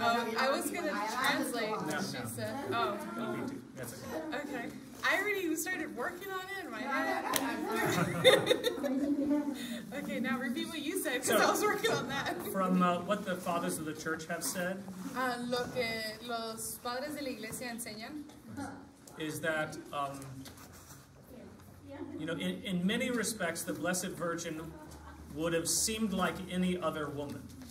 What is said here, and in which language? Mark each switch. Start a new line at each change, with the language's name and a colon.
English: I was going to translate what she said. Oh. Me too. That's okay. Okay. I already started working on it in my head. Okay, now repeat what you said, because I was working on that. From what the fathers of the church have said?
Spanish: Lo que los padres de la iglesia enseñan.
English: Is that, you know, in many respects, the Blessed Virgin would have seemed like any other woman.